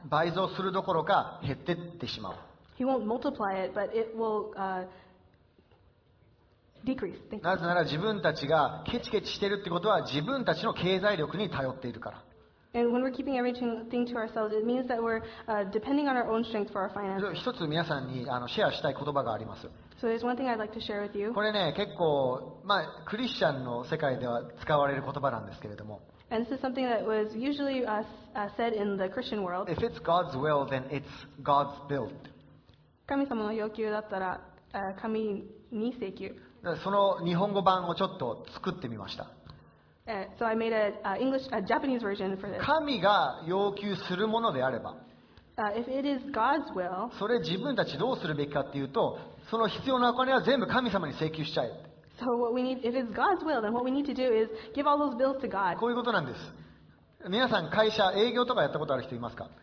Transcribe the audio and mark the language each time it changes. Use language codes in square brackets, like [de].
[ja] 倍増するどころか減ってってしまう。 [en] He won't multiply it, but it will. Decrease. Thank you. [ja] なぜなら自分たちがケチケチしているってことは自分たちの経済力に頼っているから。 [en] And when we're keeping everything to ourselves, it means that we're depending on our own strength for our finances. [ja] 一つ皆さんにシェアしたい言葉があります。 [en] So there's one thing I'd like to share with you. [ja] これね、結構クリスチャンの世界では使われる言葉なんですけれども。 [en] And this is something that was usually said in the Christian world. If it's God's will, then it's God's build. [ja] 神様の要求だったら神に請求。その日本語版をちょっと作ってみました。 [en] So I made a English, a Japanese version for this. [ja] 神が要求するものであれば、 [en] If it is God's will, [ja] それ自分たちどうするべきかっていうと、その必要なお金は全部神様に請求しちゃえ。 [en] So what we need, if it's God's will, then what we need to do is give all those bills to God. [ja] こういうことなんです。皆さん会社営業とかやったことある人いますか？